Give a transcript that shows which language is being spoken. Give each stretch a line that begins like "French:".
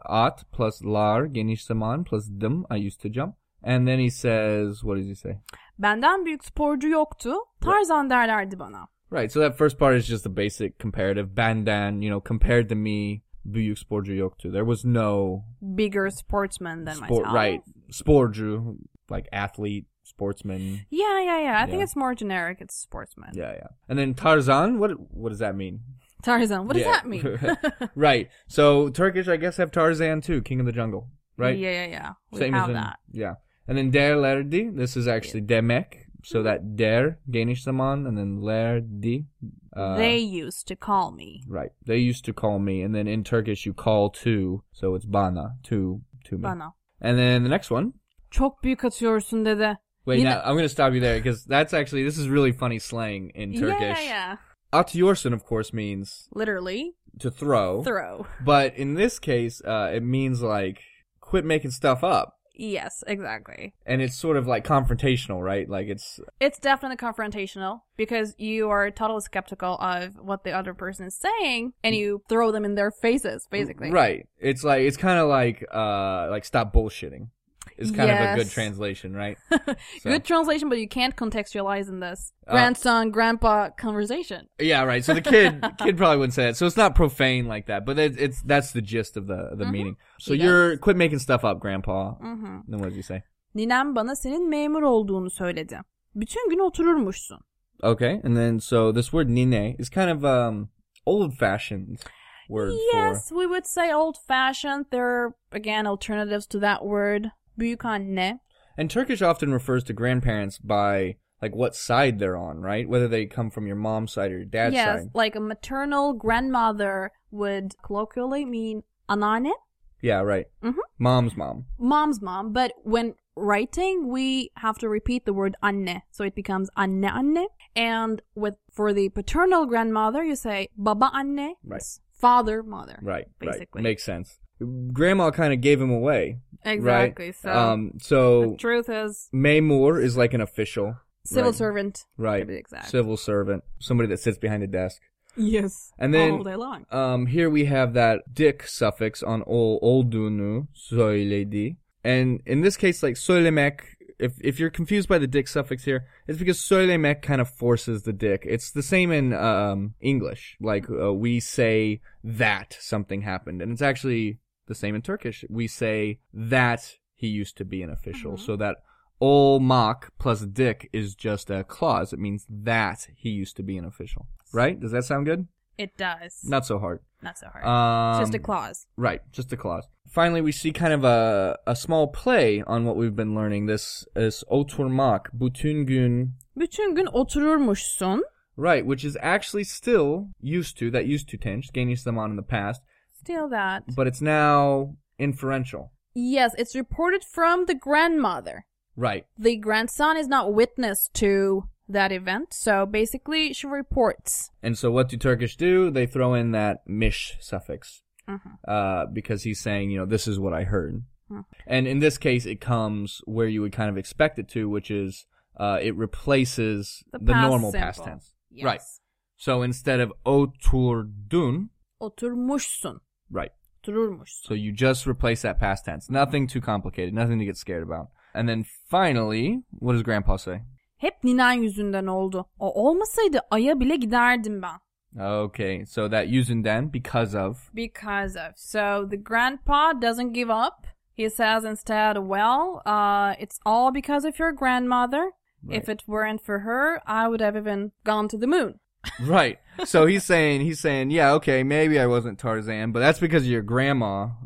Turkish: At plus lar, geniş zaman plus dım.
English: I used to jump. And then he says, what does he say?
Turkish: Benden büyük sporcu yoktu. Tarzan derlerdi bana.
English: Right. So that first part is just the basic comparative. Benden, you know, compared to me,
Turkish: büyük sporcu yoktu.
English: There was no... bigger sportsman than myself. Right. Sporcu, like athlete, sportsman. Yeah. I think it's more generic. It's sportsman. Yeah. And then Tarzan, what does that mean? Tarzan, what does that mean? Right. So Turkish, I guess, have Tarzan too, king of the jungle. Right? Yeah. We same have in, that. Yeah. And then derlerdi, this is actually demek. So that der, geniş zaman, and then lerdi. They used to call me. Right. They used to call me. And then in Turkish, you call to. So it's bana, to me. Bana. And then the next one.
Turkish: Çok büyük atıyorsun dede.
English: Wait, now I'm going to stop you there because that's actually, this is really funny slang in Turkish. Yeah. Atıyorsun, of course, means. Literally. To throw. Throw. But in this case, it means like, quit making stuff up. Yes, exactly. And it's sort of like confrontational, right? Like it's definitely confrontational because you are totally skeptical of what the other person is saying and you throw them in their faces, basically. Right. It's like, it's kind of like stop bullshitting. It's kind of a good translation, right? So. Good translation, but you can't contextualize in this grandson, grandpa conversation. Yeah, right. So the kid probably wouldn't say that. So it's not profane like that, but it's that's the gist of the mm-hmm. meaning. So he you're does. Quit making stuff up, grandpa. Mm-hmm. Then what did you say?
Turkish: Ninem bana senin memur olduğunu söyledi. Bütün gün otururmuşsun.
English: Okay, and then so this word nine is kind of old-fashioned. Yes, we would say old-fashioned. There are, again, alternatives to that word.
Turkish: Büyük anne.
English: And Turkish often refers to grandparents by, like, what side they're on, right? Whether they come from your mom's side or your dad's yes, side. Yes, like a maternal grandmother would colloquially mean anane. Yeah, right. Mm-hmm. Mom's mom. Mom's mom. But when writing, we have to repeat the word anne. So it becomes anne anne. And for the paternal grandmother, you say baba anne. Right. Father, mother. Right, basically. Right. Makes sense. Grandma kind of gave him away. Exactly. Right? So the truth is... Memur is like an official. Civil right? servant. Right. To be exact. Civil servant. Somebody that sits behind a desk. Yes. And then, all day long. Here we have that dik suffix on oldunu, söyledi. And in this case, like söylemek, if you're confused by the dik suffix here, it's because söylemek kind of forces the dik. It's the same in English. Like we say that something happened. And it's actually the same in Turkish. We say that he used to be an official. Mm-hmm. So that olmak plus dik is just a clause. It means that he used to be an official. Right? Does that sound good? It does. Not so hard. Not so hard. Just a clause. Right, just a clause. Finally, we see kind of a small play on what we've been learning. This is oturmak,
Turkish: bütün gün oturmuşsun.
English: Right, which is actually still used to, that used to tense, genius zaman in the past. Still that. But it's now inferential. Yes, it's reported from the grandmother. Right. The grandson is not witness to that event, so basically she reports. And so what do Turkish do? They throw in that mish suffix. Uh-huh. Because he's saying, you know, this is what I heard. Uh-huh. And in this case, it comes where you would kind of expect it to, which is it replaces the normal simple. Past tense. Yes. Right. So instead of oturdun.
Turkish: Oturmuşsun.
English: Right.
Turkish: Oturmuşsun.
English: So you just replace that past tense. Nothing too complicated. Nothing to get scared about. And then finally, what does Grandpa say?
Turkish: Hep ninen yüzünden oldu. O olmasaydı aya bile giderdim ben.
English: Okay, so that yüzünden, because of? Because of. So the grandpa doesn't give up. He says instead, well, it's all because of your grandmother. Right. If it weren't for her, I would have even gone to the moon. Right. So he's saying, yeah, okay, maybe I wasn't Tarzan, but that's because of your grandma.